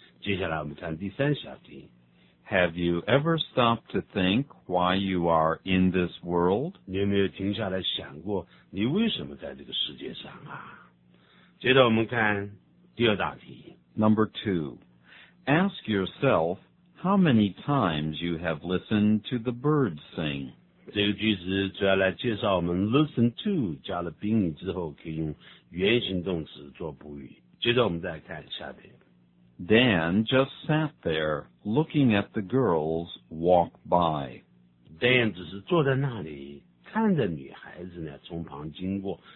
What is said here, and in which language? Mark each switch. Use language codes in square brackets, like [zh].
[zh] 接下来我们看第三小题。 [en] Have you ever stopped to think why you are in this world? [zh] 你有没有停下来想过你为什么在这个世界上啊？接着我们看第二大题。 [en] Number two, ask yourself how many times you have listened to the birds sing. [zh] 这个句子主要来介绍我们 listen to 加了宾语之后可以用原形动词做补语。接着我们再看下边。 [en] Dan just sat there, looking at the girls walk by. [zh] Dan 只是坐在那里看着女孩子呢从旁经过。